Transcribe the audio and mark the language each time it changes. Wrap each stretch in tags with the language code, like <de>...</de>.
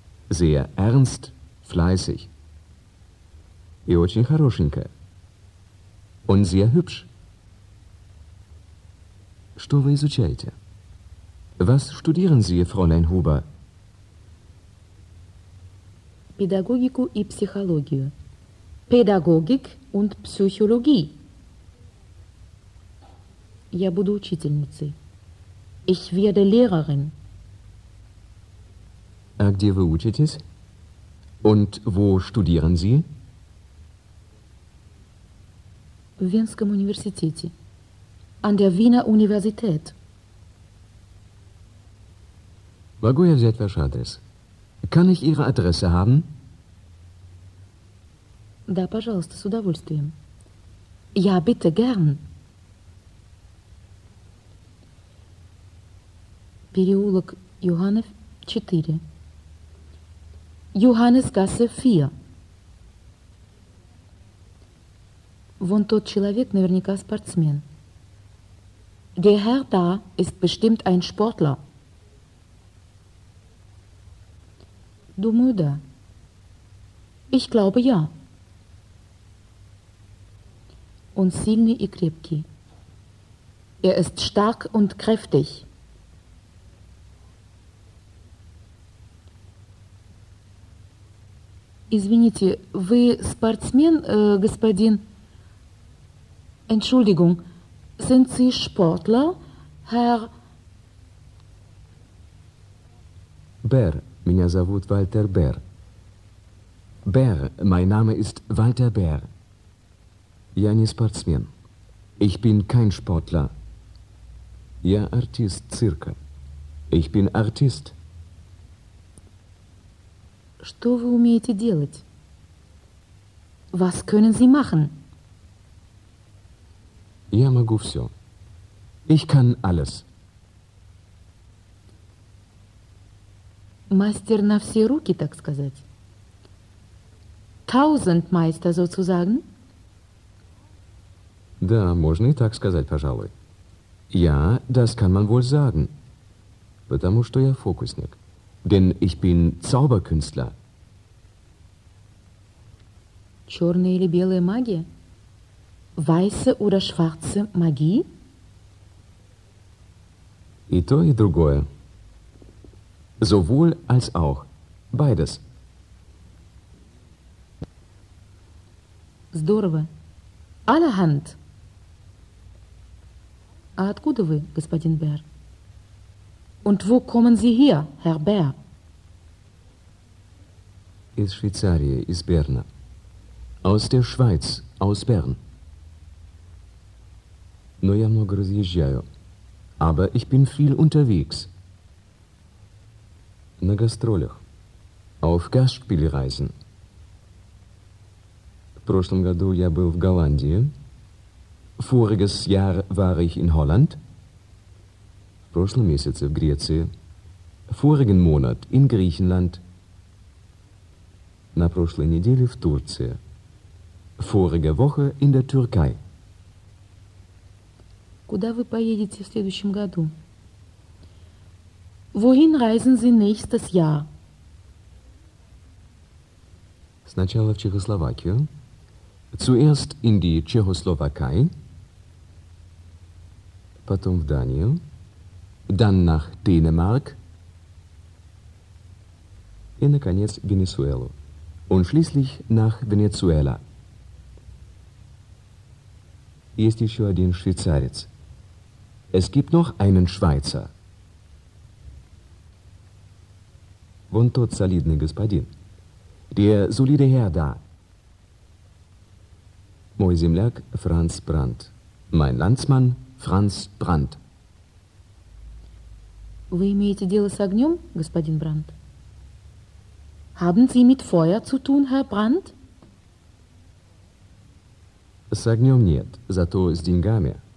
<de>Sehr ernst, fleißig.</de> <ru>И очень хорошенькая.</ru> <de>Und sehr hübsch.</de> <ru>Что вы изучаете?</ru> <de>Was studieren Sie, Fräulein Huber?</de> <ru>Педагогику и психологию.</ru> <de>Педагогик und Psychologie.</de> <ru>Я буду учительницей.</ru> <de>Ich werde Lehrerin.</de> <ru>А где вы учитесь?</ru> <de>Und wo studieren Sie?</de> <ru>В Венском университете.</ru> <de>An der Wiener Universität.</de> <ru>Могу я взять ваш адрес?</ru> <de>Kann ich Ihre Adresse haben?</de> <ru>Да, пожалуйста, с удовольствием.</ru> <de>Ja, bitte, gern.</de> <ru>Переулок Йоганнес, 4. Йоганнесгассе, 4. Вон тот человек наверняка спортсмен.</ru> <de>Der Herr da ist bestimmt ein Sportler.</de> <ru>Думаю, да.</ru> <de>Ich glaube, ja.</de> <ru>Он сильный и крепкий.</ru> <de>Er ist stark und kräftig.</de> <ru>Извините, вы спортсмен, господин...</ru> <de>Entschuldigung, sind Sie Sportler, Herr... Bär,</de> <ru>меня зовут</ru> <de>Walter Bär. Bär, mein Name ist Walter Bär.</de> <ru>Я не спортсмен.</ru> <de>Ich bin kein Sportler.</de> <ru>Я артист цирка.</ru> <de>Ich bin Artist.</de> <ru>Что вы умеете делать?</ru> <de>Was können Sie machen?</de> <ru>Я могу все.</ru> <de>Ich kann alles.</de> <ru>Мастер на все руки, так сказать.</ru> <de>Tausendmeister, sozusagen.</de> <ru>Да, можно и так сказать, пожалуй.</ru> <de>Ja, das kann man wohl sagen.</de> <ru>Потому что я фокусник.</ru> <de>Denn ich bin Zauberkünstler.</de> <ru>Черная или белая магия?</ru> <de>Weiße oder schwarze Magie?</de> <ru>И то, и другое.</ru> <de>Sowohl als auch. Beides.</de> <ru>Здорово.</ru> <de>Allerhand.</de> <ru>А откуда вы, господин Бер?</ru> <de>Und wo kommen Sie her, Herr Bär?</de> <ru>Из Швейцарии, из Берна.</ru> <de>Aus der Schweiz, aus Bern.</de> <ru>Но я много разъезжаю.</ru> <de>Aber ich bin viel unterwegs.</de> <ru>На гастролях.</ru> <de>Auf Gastspielreisen.</de> <ru>В прошлом году я был в Голландии.</ru> <de>Voriges Jahr war ich in Holland.</de> <ru>В прошлом месяце в Греции.</ru> <de>Vorigen Monat in Griechenland.</de> <ru>На прошлой неделе в Турции.</ru> <de>Vorige Woche in der Türkei.</de> <ru>Куда вы поедете в следующем году?</ru> <de>Wohin reisen Sie nächstes Jahr?</de> <ru>Сначала в Чехословакию.</ru> <de>Zuerst in die Tschechoslowakei.</de> <ru>Потом в Данию.</ru> <de>Dann nach Dänemark.</de> <ru>И, наконец, в Венесуэлу.</ru> <de>Und schließlich nach Venezuela.</de> <ru>Есть еще один швейцарец.</ru> <de>Es gibt noch einen Schweizer.</de> <ru>Вон тот солидный господин.</ru> <de>Der solide Herr da.</de> <ru>Мой земляк Франц Брандт.</ru> <de>Mein Landsmann Франц Брандт.</de> <ru>Вы имеете дело с огнем, господин Брандт?</ru> <de>Haben Sie mit Feuer zu tun, Herr Brandt?</de> <ru>С огнем нет, зато с деньгами.</ru>